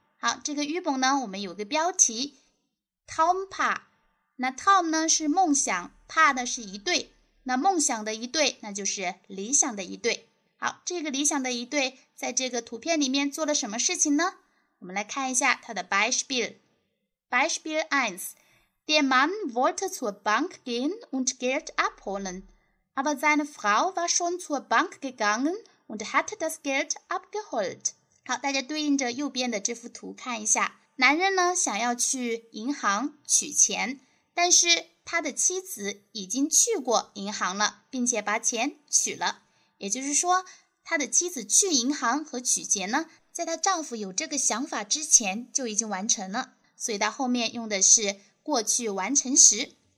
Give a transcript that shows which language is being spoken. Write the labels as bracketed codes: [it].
[zh] 好，这个 Übung 呢我们有个标题 Traumpaar， 那 Traum 呢是梦想， Paar 呢是一对，那梦想的一对那就是理想的一对。好，这个理想的一对在这个图片里面做了什么事情呢？我们来看一下它的 Beispiel。 [de] Beispiel 1， Der Mann wollte zur Bank gehen und Geld abholen, aber seine Frau war schon zur Bank gegangen und hatte das Geld abgeholt。 [zh] 好，大家对应着右边的这幅图看一下，男人呢想要去银行取钱，但是他的妻子已经去过银行了，并且把钱取了。也就是说，他的妻子去银行和取钱呢，在他丈夫有这个想法之前就已经完成了，所以他后面用的是过去完成时。